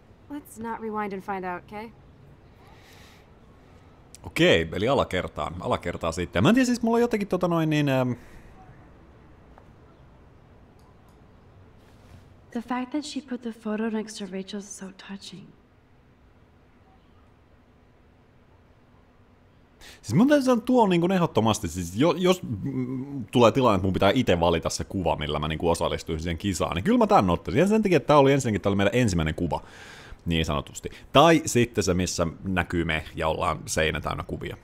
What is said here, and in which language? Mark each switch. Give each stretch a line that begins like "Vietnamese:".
English: Let's not rewind and find out, okay?
Finnish: Okei, okay, eli alakertaa sitten. Mä en tiedä, siis mulla on jotenkin tota noin niin.
English: The fact that she put the photo next to Rachel's is so touching.
Finnish: Siis mun täytyy sanoa, että tuo on niin kuin ehdottomasti, siis jos tulee tilanne, että mun pitää itse valita se kuva, millä mä niin kuin osallistuin siihen kisaan, niin kyllä mä tämän ottaisin. Ja sen takia, että tämä oli meidän ensimmäinen kuva, niin sanotusti. Tai sitten se, missä näkyy me ja ollaan seinä täynnä kuvia.